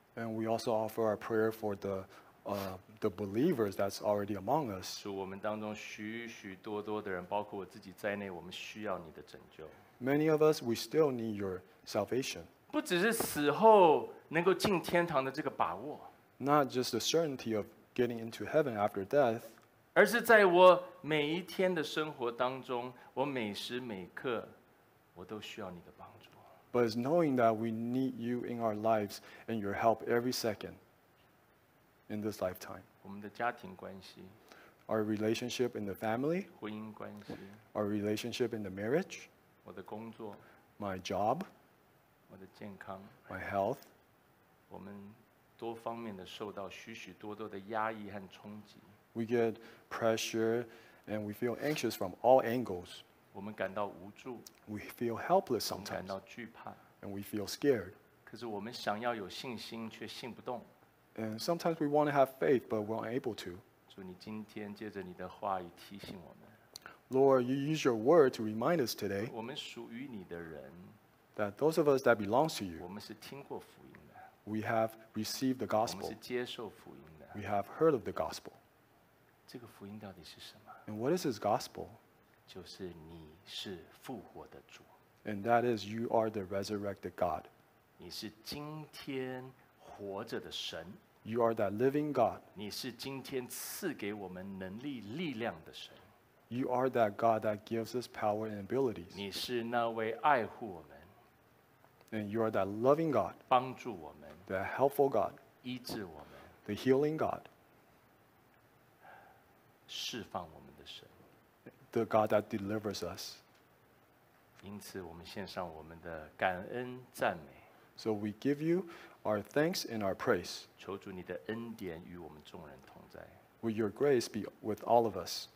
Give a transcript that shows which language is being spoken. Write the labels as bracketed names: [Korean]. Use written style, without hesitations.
[English] And we also offer our prayer for the believers that's already among us. [Chinese] 主，我们当中许许多多的人，包括我自己在内，我们需要你的拯救。 [English] Many of us, we still need your salvation. [Chinese] 不只是死后能够进天堂的这个把握。 [English] Not just the certainty of getting into heaven after death. [Chinese] 而是在我每一天的生活当中，我每时每刻，我都需要你的帮助。 [English] But it's knowing that we need you in our lives and your help every second. In this lifetime, [Chinese] 我们的家庭关系 [English] our relationship in the family, [Chinese] 婚姻关系 [English] our relationship in the marriage, [Chinese] 我的工作 [English] my job, [Chinese] 我的健康 [English] my health, [Chinese] 我们多方面的受到许许多多的压抑和冲击 [English] we get pressure and we feel anxious from all angles, [Chinese] 我们感到无助 [English] we feel helpless sometimes, [Chinese] 我们感到惧怕 [English] and we feel scared, [Chinese] 可是我们想要有信心却信不动。 [English] And sometimes we want to have faith, but we're unable to. [Chinese] 主，你今天借着你的话语提醒我们。 [English] Lord, you use your word to remind us today. [Chinese] 我们属于你的人。 [English] That those of us that belongs to you. [Chinese] 我们是听过福音的。 [English] We have received the gospel. [Chinese] 我们是接受福音的。 [English] We have heard of the gospel. [Chinese] 这个福音到底是什么？ [English] And what is this gospel? [Chinese] 就是你是复活的主。 [English] And that is you are the resurrected God. [Chinese] 你是今天活着的神。 [English] You are that living God. [Chinese] 你是今天赐给我们能力力量的神。 [English] You are that God that gives us power and abilities. [Chinese] 你是那位爱护我们。 [English] And you are that loving God. [Chinese] 帮助我们。 [English] The helpful God. [Chinese] 医治我们。 [English] The healing God. [Chinese] 释放我们的神。 [English] The God that delivers us. [Chinese] 因此我们献上我们的感恩赞美。 [English] So we give you our thanks and our praise. [Chinese] 求主你的恩典与我们众人同在。 [English] Will your grace be with all of us?